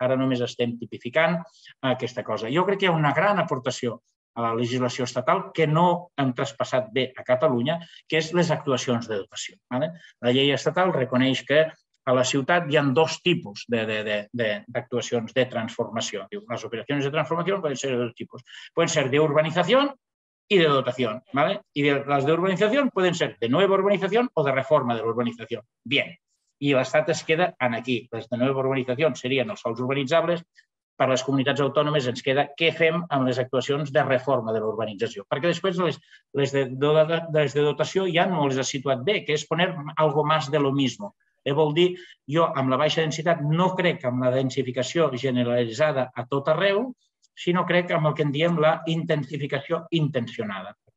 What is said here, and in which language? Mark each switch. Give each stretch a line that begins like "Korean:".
Catalan: Ara només estem tipificant aquesta cosa. Jo crec que hi ha una gran aportació a la legislació estatal que no hem traspassat bé a Catalunya, que és les actuacions de dotació. Vale? La llei estatal reconeix que a la ciutat hi ha dos tipus d'actuacions de transformació. Les operacions de transformació poden ser de dos tipus. Poden ser d'urbanització
Spanish: y de dotación, ¿vale? Y las de urbanización pueden ser de nueva urbanización o de reforma de la urbanización. Bien, y las tasas quedan aquí. Las de nueva urbanización serían los
Catalan: sòls urbanitzables. Per les comunitats autònomes ens queda què fem amb les actuacions de reforma de l'urbanització. Perquè després les de dotació ja no les ha situat bé, que és
Spanish: poner algo más de lo mismo.
Catalan: Vol dir, jo amb la baixa densitat no crec amb la densificació generalitzada a tot arreu, sinó crec amb el que en diem la intensificació intencionada.